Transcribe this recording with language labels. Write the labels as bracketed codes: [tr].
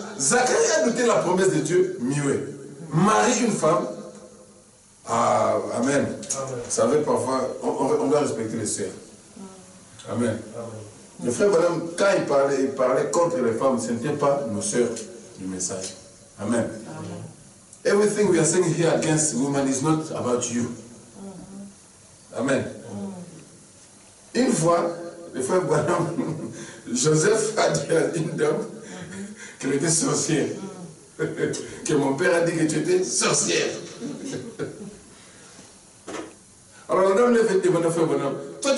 [fr] Zacharie a douté la promesse de Dieu, mieux. Marie, une femme. Ah, amen. Amen. Vous savez, parfois, on doit respecter les soeurs. Amen. Amen. Le frère Branham, quand il parlait contre les femmes, ce n'était pas nos sœurs du message. Amen. Amen. [en] Everything we are saying here against women is not about you. [fr] Amen. Amen. Une fois, le frère Branham, Joseph a dit à une dame qu'elle était sorcière. Que mon père a dit que tu étais sorcière. Alors la dame lui a demandé au frère Branham, toi,